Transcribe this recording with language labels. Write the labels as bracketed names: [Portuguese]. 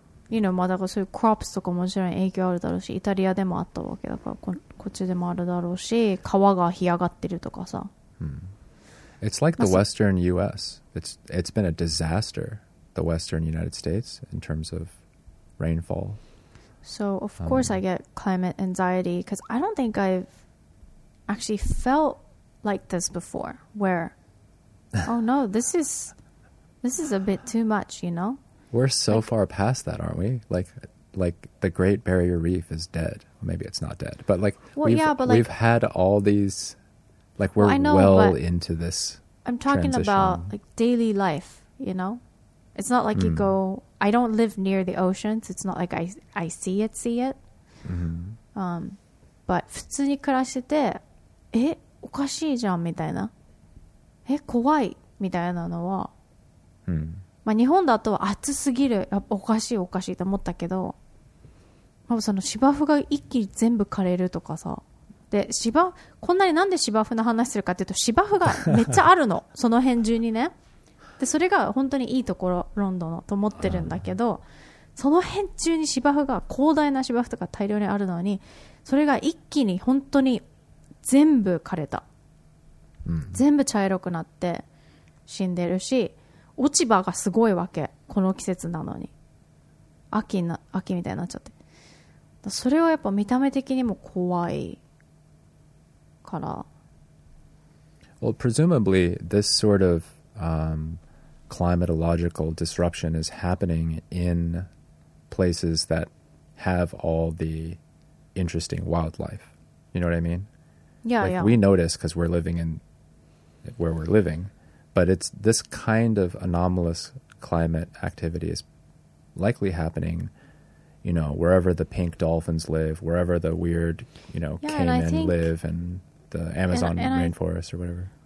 [English] You know, [Japanese] まあ、だからそういうクロップスとかもちろん影響あるだろうし、イタリアでもあったわけだから、こっちでもあるだろうし、川が干上がってるとかさ。 [English] It's like the Western US. It's been a disaster, the Western United States, in terms of rainfall. So, of course, I get climate anxiety, because I don't think I've actually felt like this before, where, oh no, this is a bit too much, you know? We're so far past that, aren't we? Like the Great Barrier Reef is dead. Maybe it's not dead. But like, we've had all these, like, we're into this transition. I'm talking about like daily life, you know? It's not like you go, I don't live near the oceans. So it's not like I see it. [Japanese] But 普通に暮らしてて、え、おかしいじゃんみたいな。え、怖いみたいなのは。まあ、日本だと暑すぎる、やっぱおかしいと思ったけど、まあ、その芝生が一気に全部枯れるとかさ、で芝生、こんなになんで芝生の話するかっていうと、芝生がめっちゃあるの、その辺中にね。で、それが本当にいいところ、ロンドンのと思ってるんだけど、その辺中に芝生が、広大な芝生とか大量にあるのに、それが一気に本当に全部枯れた。全部茶色くなって死んでるし、落ち葉がすごいわけ、この季節なのに、秋みたいになっちゃって、それはやっぱ見た目的にも怖いから。 [English] Well, presumably this sort of climatological disruption is happening in places that have all the interesting wildlife, you know what I mean? Yeah. We notice because we're living in where we're livingBut it's this kind of anomalous climate activity is likely happening, you know, wherever the pink dolphins live, wherever the weird, you know, caiman live, and the Amazon rainforest or whatever.